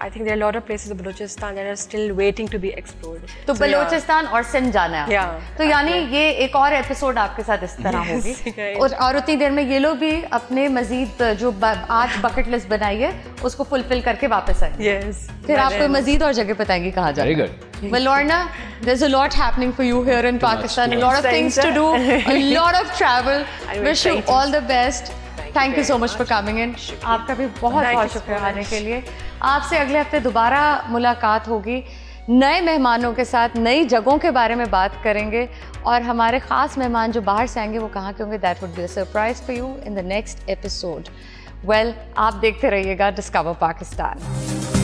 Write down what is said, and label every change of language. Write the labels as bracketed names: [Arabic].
[English] I think there are lot of places in Balochistan that are still waiting to be explored. [Hindi] तो बलूचिस्तान और सिंध जाना है। या तो यानी ये एक और एपिसोड आपके साथ इस तरह होगी, और उतनी देर में ये लोग भी अपने मजीद जो आज बकेट लिस्ट बनाई है उसको फुलफिल करके वापस आए। [English] yes, [Hindi] फिर आपको मजीद और जगह बताएंगे कहाँ जाना। [English] Very good. Well, Lorna, there's a lot happening for you here in Pakistan. A lot of things to do, a lot of travel. Wish you all the best. Thank you so much for coming in. [Hindi] आपका भी बहुत बहुत शुक्रिया आने के लिए। आपसे अगले हफ्ते दोबारा मुलाकात होगी, नए मेहमानों के साथ, नई जगहों के बारे में बात करेंगे, और हमारे ख़ास मेहमान जो बाहर से आएंगे वो कहाँ के होंगे, [English] That would be a surprise for you in the next episode. [Hindi] Well, आप देखते रहिएगा डिस्कवर पाकिस्तान।